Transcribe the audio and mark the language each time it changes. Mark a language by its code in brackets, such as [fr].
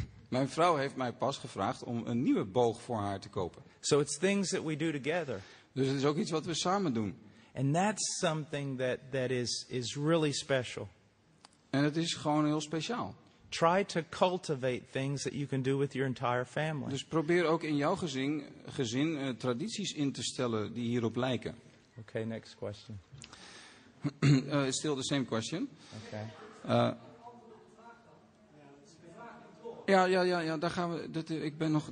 [nl] Mijn vrouw heeft mij pas gevraagd om een nieuwe boog voor haar te kopen. [en] So it's things that we do together. [nl] Dus het is ook iets wat we samen doen. [en] And that's something that is really special. [nl] En het is gewoon heel speciaal. [en] Try to cultivate things that you can do with your entire family. [nl] Dus probeer ook in jouw gezin tradities in te stellen die hierop lijken. [en] Okay, next question. Still the same question. Okay. [nl] Ja, daar gaan we.